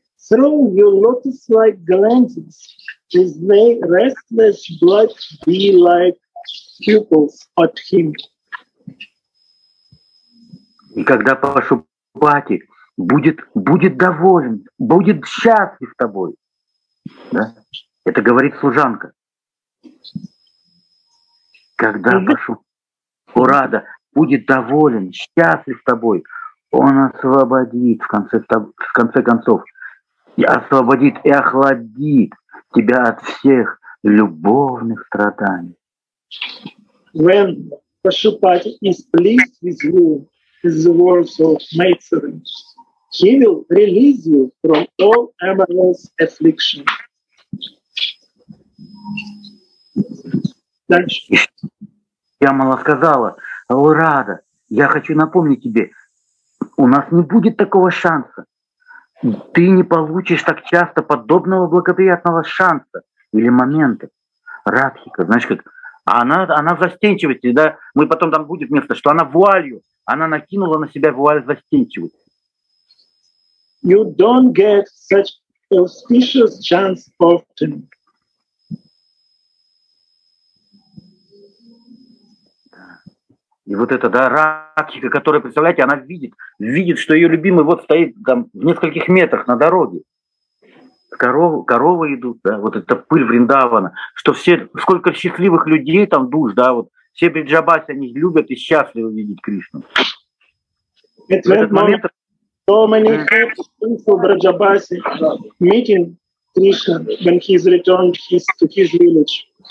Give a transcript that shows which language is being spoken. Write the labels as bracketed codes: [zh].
[en] Throw your lotus-like glances with their restless blood bee-like pupils at him. [ru] И когда Пашупати будет доволен, будет счастлив тобой, да? Это говорит служанка. Когда Пашупати будет доволен, счастлив тобой, он освободит, в конце концов, и освободит и охладит тебя от всех любовных страданий. [en] When Pashupati is pleased with you, with the words of Maitreya, he will release you from all amorous affliction. [ru] Дальше. Ямала сказала: «О, Рада, я хочу напомнить тебе, у нас не будет такого шанса. Ты не получишь так часто подобного благоприятного шанса или момента». Радхика, знаешь, как она застенчивость, да? Мы потом там будет место, что она вуалью, она накинула на себя вуаль застенчивости. [en] You don't get such auspicious chance often. [ru] И вот эта, да, Радхика, которая, представляете, она видит, что ее любимый вот стоит там в нескольких метрах на дороге. Коровы идут, да, вот эта пыль Вриндавана. Что все, сколько счастливых людей там душ, да, вот все Бриджабаси, они любят и счастливы видеть Кришну. [en] It's that moment, so many people from Бриджабаси meeting Krishna when he's returned to his village.